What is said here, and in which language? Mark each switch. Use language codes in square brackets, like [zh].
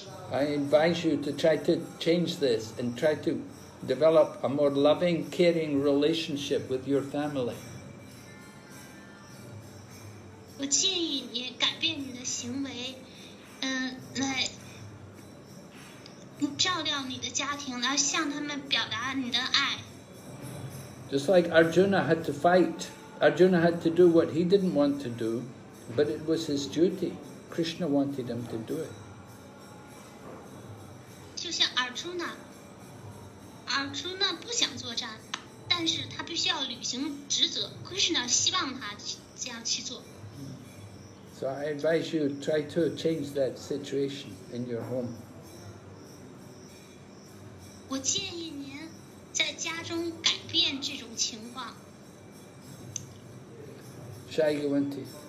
[en] I invite you to try to change this and try to develop a more loving, caring relationship with your family. [zh] 我建议你改变你的行为，来照料你的家庭，来向他们表达你的爱。 [en] Just like Arjuna had to fight, Arjuna had to do what he didn't want to do, but it was his duty. Krishna wanted him to do it. [zh] Arjuna 不想作战，但是他必须要履行职责。 Krishna 希望他这样去做。 [en] So I advise you try to change that situation in your home. [zh] 我建议您在家中改变这种情况。下一个问题。